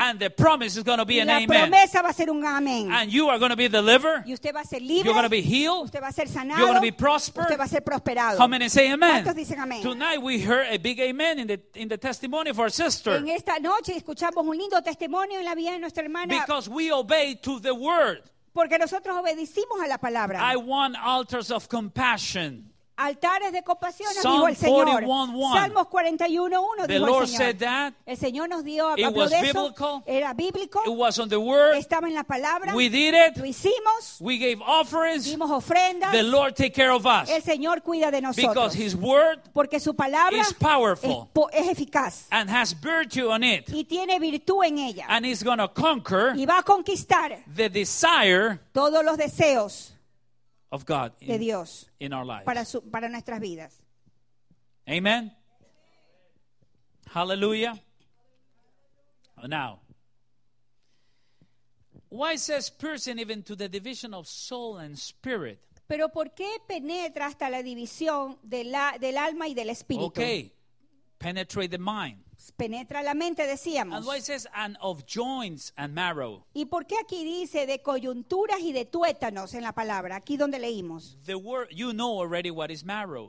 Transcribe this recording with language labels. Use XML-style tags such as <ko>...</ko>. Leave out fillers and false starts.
<en>And the promise is going to be an amen.</en> <es>La promesa va a ser un amén.</es> <en>And you are going to be delivered.</en> <es>Y usted va a ser libre.</es> <en>You're going to be healed.</en> <es>Usted va a ser sanado.</es> <en>You're going to be prospered.</en> <es>Usted va a ser prosperado.</es> <en>How many say amen?</en> <es>¿Cuántos dicen amén?</es> <en>Tonight we heard a big amen in the testimony of our sister.</en> <es>En esta noche escuchamos un lindo testimonio en la vida de nuestra hermana.</es> <en>Because we obey to the word.</en> <es>Porque nosotros obedecimos a la palabra.</es> <en>I want altars of compassion.</en> <es>Altares de compasión, dijo el Señor. Salmos 41:1 dijo el Señor. El Señor nos dio a Pablo eso. Era bíblico.</es> <en>It was on the word.</en> <es>Estaba en la palabra.</es> <en>We did it.</en> <es>Lo hicimos.</es> <en>We gave offerings.</en> <es>Dimos ofrendas.</es> <en>The Lord take care of us.</en> <es>El Señor cuida de nosotros.</es> <en>Because His word,</en> <es>porque su palabra</es> <en>is powerful,</en> <es>es eficaz,</es> <en>and has virtue on it,</en> <es>y tiene virtud en ella,</es> <en>and is going to conquer,</en> <es>y va a conquistar</es> <en>the desire,</en> <es>todos los deseos.</es> <en>Of God</en> <es>in, de Dios,</es> <en>in our lives.</en> <es>Para nuestras vidas.</es> <en>Amen. Hallelujah. Now, why says piercing even to the division of soul and spirit?</en> <es>Pero ¿por qué penetra hasta la división del alma y del espíritu?</es> <en>Okay, penetrate the mind.</en> <es>Penetra la mente, decíamos.</es> <en>And why it says, and of joints and marrow.</en> <es>¿Y por qué aquí dice de coyunturas y de tuétanos en la palabra? Aquí donde leímos.</es> <en>The word, you know already what is marrow.</en>